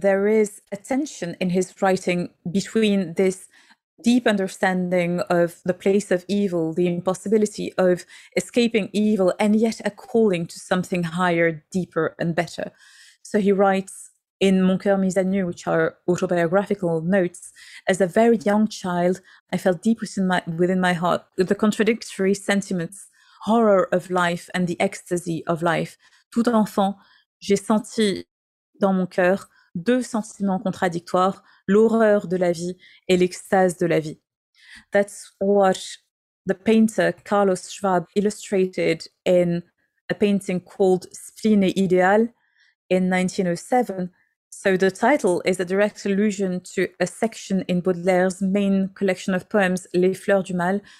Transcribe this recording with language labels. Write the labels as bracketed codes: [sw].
[en] There is a tension in his writing between this deep understanding of the place of evil, the impossibility of escaping evil, and yet a calling to something higher, deeper, and better. So he writes in Mon Coeur Mis à Nu, which are autobiographical notes, as a very young child, I felt deep within my heart the contradictory sentiments, horror of life and the ecstasy of life. [fr] Tout enfant, j'ai senti dans mon cœur deux sentiments contradictoires, l'horreur de la vie et l'extase de la vie. [en] That's what the painter Carlos Schwab illustrated in a painting called Spleen et Idéal in 1907. So the title is a direct allusion to a section in Baudelaire's main collection of poems, Les Fleurs du Mal.